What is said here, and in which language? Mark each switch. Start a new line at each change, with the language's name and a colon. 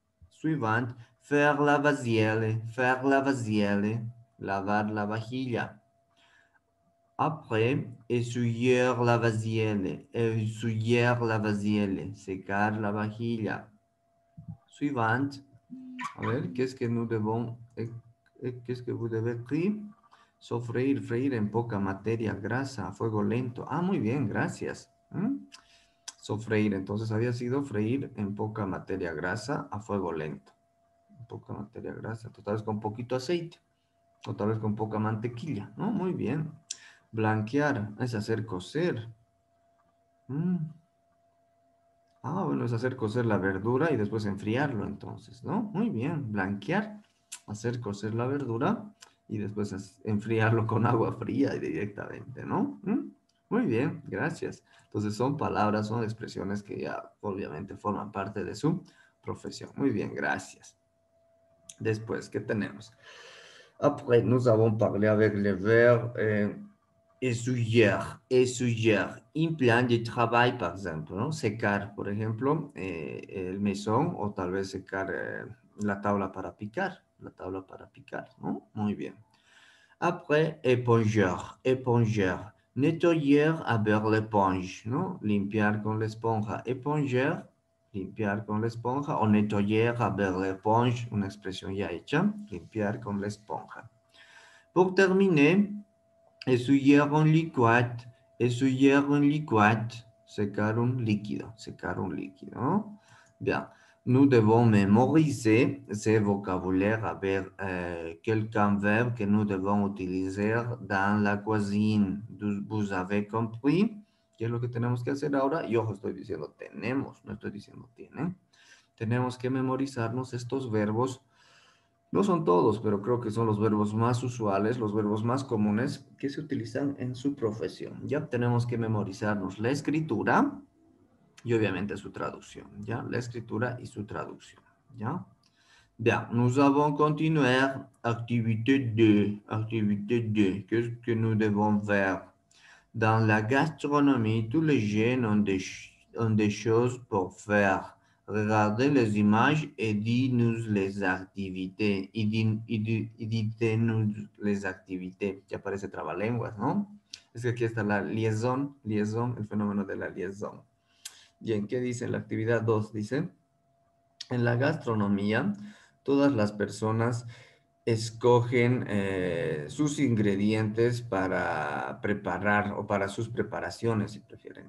French: Suivant, faire la vaisselle,
Spanish: lavar la vajilla.
French: Après, essuyer la vaisselle,
Spanish: secar la vajilla.
French: Suivant,
Spanish: a ver, ¿qué es que
French: vous devez écrire?
Spanish: Sofreír, freír en poca materia, grasa, a fuego lento. Ah, muy bien, gracias. Sofreír, entonces había sido freír en poca materia grasa a fuego lento. Poca materia grasa, tal vez con poquito aceite, o tal vez con poca mantequilla, ¿no? Muy bien. Blanquear, es hacer cocer. Ah, bueno, es hacer cocer la verdura y después enfriarlo, entonces, ¿no? Muy bien, blanquear, hacer cocer la verdura y después enfriarlo con agua fría directamente, ¿no? Muy bien, gracias. Entonces son palabras, son expresiones que ya obviamente forman parte de su profesión. Muy bien, gracias. Después, ¿qué tenemos?
French: Après, nous avons parlé avec le verbe essuyer, un plan de travail,
Spanish: por ejemplo, ¿no? Secar, por ejemplo, el mesón o tal vez secar la tabla para picar, ¿no? Muy bien. Après, éponger.
French: Nettoyer avec l'éponge, ¿no?
Spanish: Limpiar con la esponja. Éponger, limpiar con la esponja. O
French: nettoyer avec l'éponge,
Spanish: una expresión ya hecha. Limpiar con la esponja.
French: Pour terminer, essuyer un liquide.
Spanish: Secar un líquido, ¿no? Bien.
French: Nous devons mémoriser ce vocabulaire avec quelques verbes que nous devons utiliser dans la cuisine. Vous avez compris?
Spanish: ¿Qué es lo que tenemos que hacer ahora? Y ojo, estoy diciendo tenemos, no estoy diciendo tiene. Tenemos que memorizarnos estos verbos. No son todos, pero creo que son los verbos más usuales, los verbos más comunes que se utilizan en su profesión. Ya tenemos que memorizarnos la escritura. Y obviamente su traducción, ¿ya? La escritura y su traducción, ¿ya?
French: Bien, nous avons continuer activité 2.
Spanish: ¿Qué es que
French: nous devons faire? Dans la gastronomie, tous les jeunes ont des choses pour faire. Regardez les images et dites-nous les activités. Dites-nous les activités.
Spanish: Ya aparece trabalenguas, ¿no? Es que aquí está la liaison, liaison, el fenómeno de la liaison. ¿Y en qué dice la actividad 2? Dice, en la gastronomía, todas las personas escogen sus ingredientes para preparar o para sus preparaciones, si prefieren.